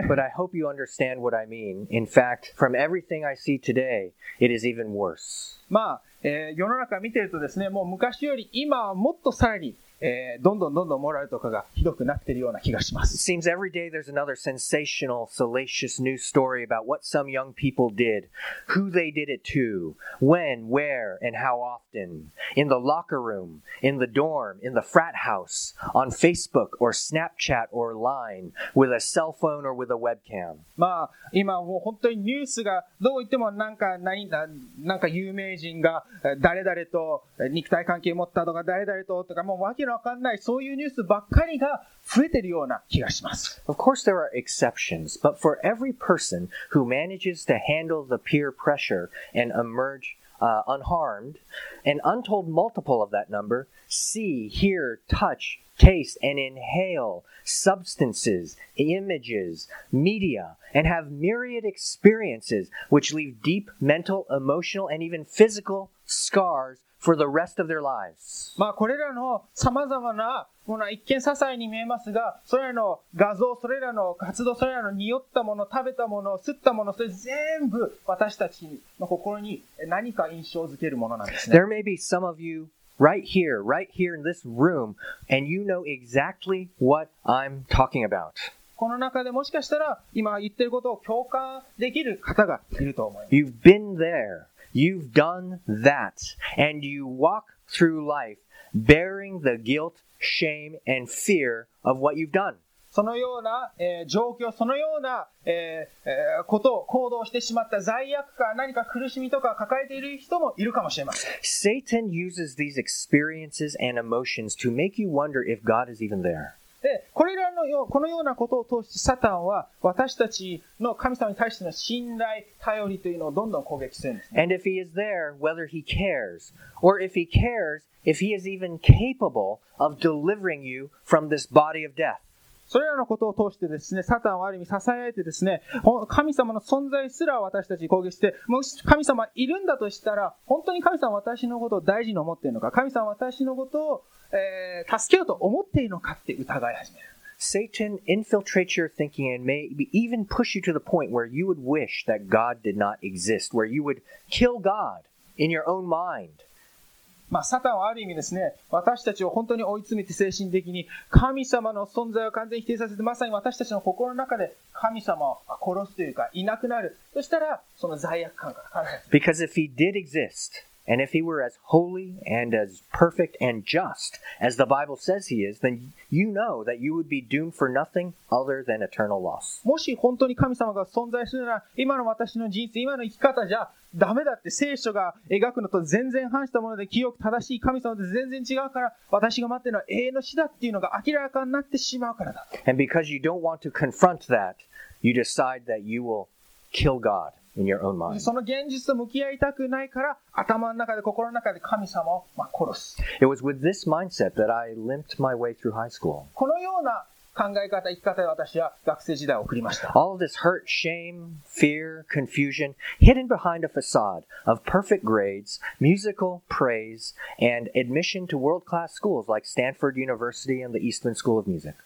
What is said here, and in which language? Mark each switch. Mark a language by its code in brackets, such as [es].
[en] But I hope you understand what I mean. In fact, from everything I see today, it is even worse. [ja] まあ、世の中見てるとですね、もう昔より今はもっとさらに、どんどんどんどんモラルとかがひどくなってるような気がします。 [en] It seems every day there's another sensational, salacious news story about what some young people did, who they did it to, when, where, and how often. In the locker room, in the dorm, in the frat house, on Facebook or Snapchat or Line, with a cell phone or with a webcam. [ja] まあ、今もう本当にニュースがどう言ってもなんか何、なんか有名人が誰々と肉体関係持ったとか誰々ととかもうわけのわかんないそういうニュースばっかりが増えてるような気がします。 [en] Of course there are exceptions, but for every person who manages to handle the peer pressure and emerge unharmed, an untold multiple of that number see, hear, touch, taste, and inhale substances, images, media, and have myriad experiences which leave deep mental, emotional, and even physical scars for the rest of their lives. [ja] まあこれらの様々なもの一見些細に見えますが、それらの画像、それらの活動、それらの匂ったもの、食べたもの、吸ったもの、それ全部私たちの心に何か印象づけるものなんですね。 [en] There may be some of you right here in this room, and you know exactly what I'm talking about. [ja] この中でもしかしたら今言ってることを共感できる方がいると思います。 [en] You've been there. You've done that, and you walk through life bearing the guilt, shame, and fear of what you've done. [ja] そのような、状況、そのような、ことを行動してしまった罪悪感、何か苦しみとか抱えている人もいるかもしれません。 [en] Satan uses these experiences and emotions to make you wonder if God is even there. [ja] でこれらのよう、このようなことを通してサタンは私たちの神様に対しての信頼、頼りというのをどんどん攻撃するんです、ね。 [en] And if he is there, whether he cares, or if he cares, if he is even capable of delivering you from this body of death. [ja] それらのことを通してですね、サタンはある意味囁いてですね、神様の存在すら私たちに攻撃して、もし神様いるんだとしたら、本当に神様は私のことを大事に思っているのか、神様は私のことを助けようと思っているのかって疑い始める。 [en] Satan infiltrates your thinking and may even push you to the point where you would wish that God did not exist, where you would kill God in your own mind. [ja] まあ、サタンはある意味ですね、私たちを本当に追い詰めて精神的に神様の存在を完全否定させて、まさに私たちの心の中で神様を殺すというか、いなくなる。そしたら、その罪悪感が感じられる。 [en] Because if he did exist,And if he were as holy and as perfect and just as the Bible says he is, then you know that you would be doomed for nothing other than eternal loss. [ja] もし本当に神様が存在するなら、今の私の人生、今の生き方じゃダメだって聖書が描くのと全然反したもので、清く正しい神様と全然違うから、私が待ってるのは永遠の死だっていうのが明らかになってしまうからだ。 [en] And because you don't want to confront that, you decide that you will kill God. In your own mind. [ja] その現実と向き合いたくないから頭の中で心の中で神様を、まあ、殺す。 [en] It was with this mindset that I limped my way through high school. [ja] このような考え方、生き方で私は学生時代を送りました。 [en] All this hurt, shame, fear, confusion hidden behind a facade of perfect grades, musical praise, and admission to world-class schools like Stanford University and the Eastman School of Music.